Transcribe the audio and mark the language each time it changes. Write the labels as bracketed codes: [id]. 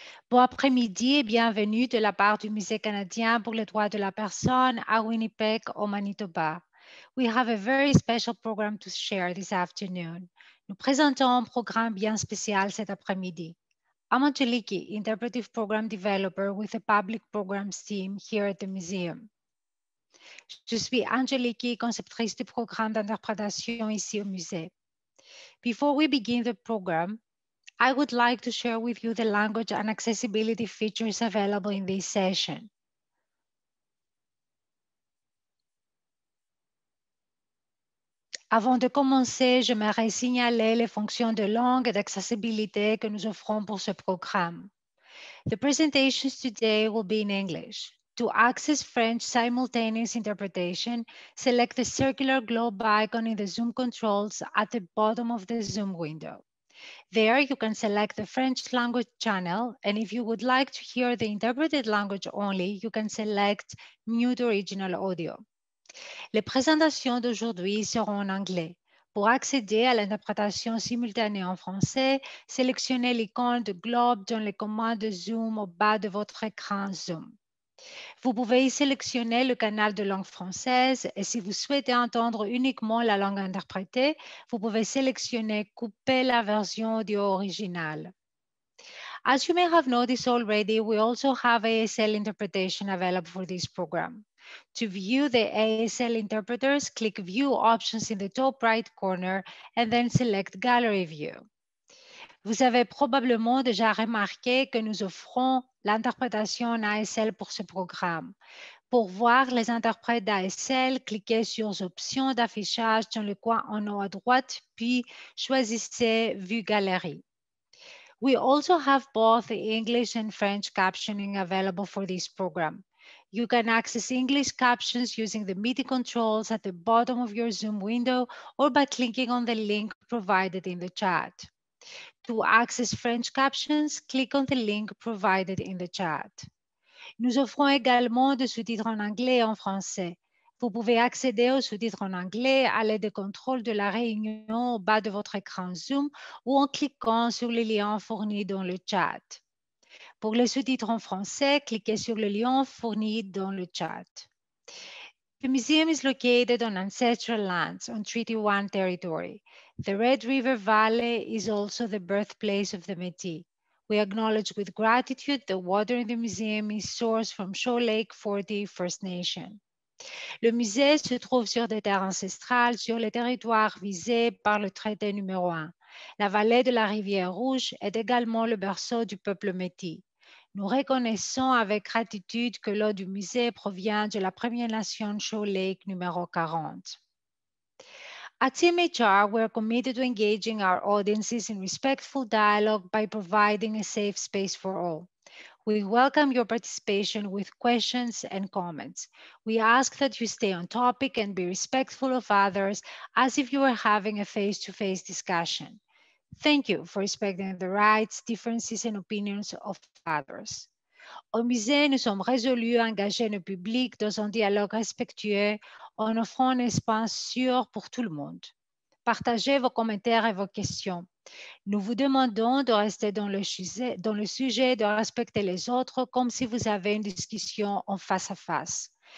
[fr] Bon après-midi et bienvenue de la part du Musée canadien pour les droits de la personne à Winnipeg, au Manitoba. [en] We have a very special program to share this afternoon. [fr] Nous présentons un programme bien spécial cet après-midi. [en] I'm Angeliki, interpretive program developer with the public programs team here at the museum. [fr] Je suis Angeliki, conceptrice du programme d'interprétation ici au musée. [en] Before we begin the program, I would like to share with you the language and accessibility features available in this session. [fr] Avant de commencer, j'aimerais signaler les fonctions de langue et d'accessibilité que nous offrons pour ce programme. [en] The presentations today will be in English. To access French simultaneous interpretation, select the circular globe icon in the Zoom controls at the bottom of the Zoom window. There, you can select the French language channel, and if you would like to hear the interpreted language only, you can select mute original audio. [fr] Les présentations d'aujourd'hui seront en anglais. Pour accéder à l'interprétation simultanée en français, sélectionnez l'icône de globe dans les commandes de Zoom au bas de votre écran Zoom. Vous pouvez y sélectionner le canal de langue française et si vous souhaitez entendre uniquement la langue interprétée, vous pouvez sélectionner « Couper la version audio originale ». [en] As you may have noticed already, we also have ASL interpretation available for this program. To view the ASL interpreters, click View Options in the top right corner and then select Gallery View. [fr] Vous avez probablement déjà remarqué que nous offrons l'interprétation en ASL pour ce programme. Pour voir les interprètes d'ASL, cliquez sur Options d'affichage dans le coin en haut à droite, puis choisissez Vue Galerie. [en] We also have both the English and French captioning available for this program. You can access English captions using the MIDI controls at the bottom of your Zoom window or by clicking on the link provided in the chat. To access French captions, click on the link provided in the chat. [fr] Nous offrons également des sous-titres en anglais et en français. Vous pouvez accéder aux sous-titres en anglais à l'aide des contrôles de la réunion au bas de votre écran Zoom ou en cliquant sur les liens fournis dans le chat. Pour les sous-titres en français, cliquez sur le lien fourni dans le chat. [en] The museum is located on ancestral lands, on Treaty 1 territory. The Red River Valley is also the birthplace of the Métis. We acknowledge with gratitude the water in the museum is sourced from Shaw Lake 40 First Nation. [fr] Le musée se trouve sur des terres ancestrales, sur les territoires visés par le traité numéro 1. La vallée de la rivière Rouge est également le berceau du peuple Métis. Nous reconnaissons avec gratitude que l'eau du musée provient de la première nation Shaw Lake numéro 40. [en] At CMHR, we are committed to engaging our audiences in respectful dialogue by providing a safe space for all. We welcome your participation with questions and comments. We ask that you stay on topic and be respectful of others as if you were having a face-to-face discussion. Thank you for respecting the rights, differences and opinions of others. [fr] Au musée, nous sommes résolus à engager le public dans un dialogue respectueux en offrant un espace sûr pour tout le monde. Partagez vos commentaires et vos questions. Nous vous demandons de rester dans le sujet et de respecter les autres comme si vous avez une discussion en face à face.